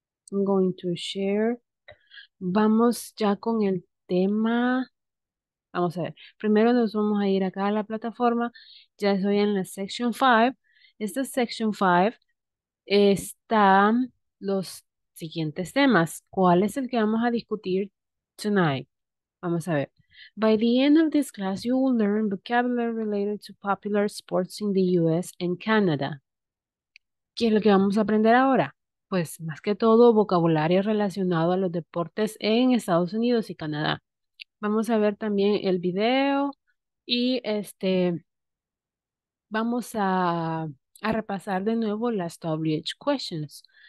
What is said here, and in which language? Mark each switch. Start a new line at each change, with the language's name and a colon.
English: I'm going to share.
Spanish: Vamos ya con el tema. Vamos a ver, primero nos vamos a ir acá a la plataforma. Ya estoy en la Section 5. Esta Section 5 están los siguientes temas. ¿Cuál es el que vamos a discutir tonight? Vamos a ver.
English: By the end of this class, you will learn vocabulary related to popular sports in the US and Canada.
Spanish: ¿Qué es lo que vamos a aprender ahora? Pues más que todo, vocabulario relacionado a los deportes en Estados Unidos y Canadá. Vamos a ver también el video y vamos a repasar de nuevo las WH questions.